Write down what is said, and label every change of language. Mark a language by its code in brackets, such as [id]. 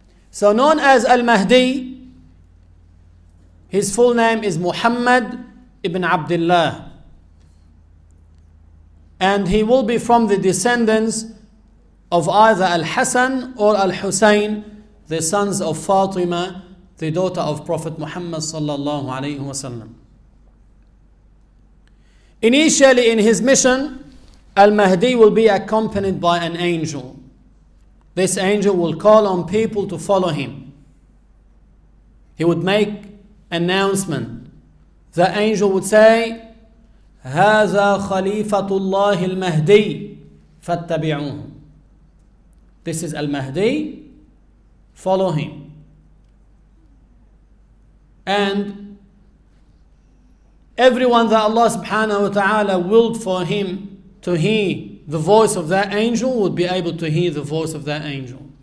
[en] So known as Al-Mahdi, his full name is Muhammad ibn Abdullah, and he will be from the descendants of either Al-Hasan or Al-Husayn, the sons of Fatima, the daughter of Prophet Muhammad sallallahu alayhi wasallam. Initially in his mission, Al-Mahdi will be accompanied by an angel. This angel will call on people to follow him. He would make announcement. [ar] The angel would say, هَذَا خَلِيفَةُ اللَّهِ الْمَهْدِي فَاتَّبِعُوهُ. [en] This is Al-Mahdi, follow him. And everyone that Allah subhanahu wa ta'ala willed for him to hear the voice of that angel would be able to hear the voice of that angel.